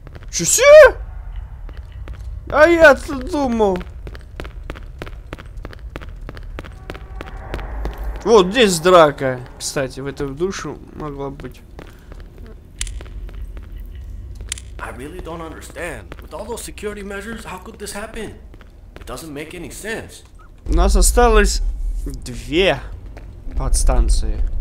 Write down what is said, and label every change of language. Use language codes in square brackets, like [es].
[ru] Чё? А я-то думал. Вот здесь драка, кстати, в эту душу могла быть. [en] I really don't understand. With all those security measures, how could this happen? It doesn't make any sense. [ru] У нас осталось две подстанции.